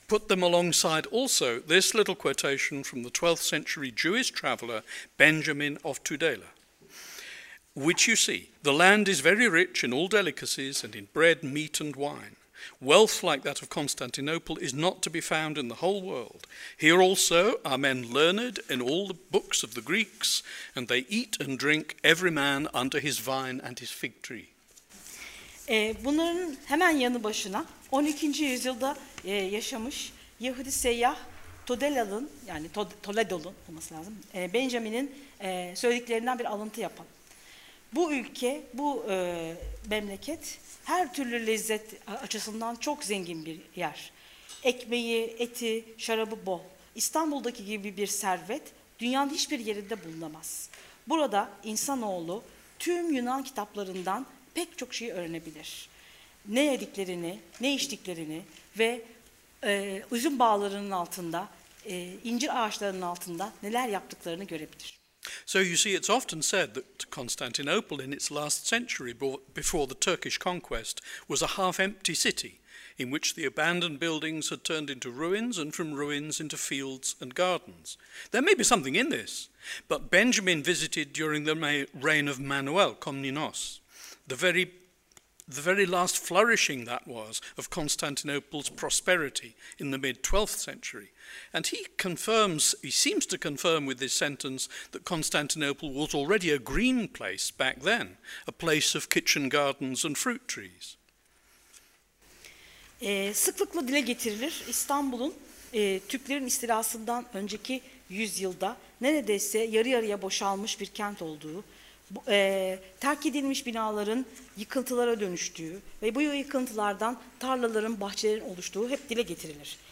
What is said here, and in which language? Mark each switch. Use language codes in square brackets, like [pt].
[en] Put them alongside also this little quotation from the 12th century Jewish traveler Benjamin of Tudela, which you see, the land is very rich in all delicacies and in bread, meat and wine. Wealth like that of Constantinople is not to be found in the whole world. Here also are men learned in all the books of the Greeks, and they eat and drink every man under his vine and his fig tree. [tr] Bunların hemen yanı başına 12. yüzyılda yaşamış Yahudi seyyah Tudela'nın, yani Toledo'nun olması lazım, Benjamin'in söylediklerinden bir alıntı yapalım. Bu ülke, bu memleket her türlü lezzet açısından çok zengin bir yer. Ekmeği, eti, şarabı bol. İstanbul'daki gibi bir servet dünyanın hiçbir yerinde bulunamaz. Burada insanoğlu tüm Yunan kitaplarından pek çok şeyi öğrenebilir. Ne yediklerini, ne içtiklerini ve üzüm bağlarının altında, incir ağaçlarının altında neler yaptıklarını görebilir. [en] So you see, it's often said that Constantinople in its last century before the Turkish conquest was a half-empty city in which the abandoned buildings had turned into ruins and from ruins into fields and gardens. There may be something in this, but Benjamin visited during the reign of Manuel Komnenos. The very last flourishing that was of Constantinople's prosperity in the mid-12th century. And he seems to confirm with this sentence that Constantinople was already a green place back then, a place of kitchen gardens and fruit trees. [tr] Sıklıkla dile getirilir, İstanbul'un Türklerin istilasından önceki yüzyılda neredeyse yarı yarıya boşalmış bir kent olduğu, terk edilmiş binaların yıkıntılara dönüştüğü ve bu yıkıntılardan tarlaların, bahçelerin oluştuğu hep dile getirilir.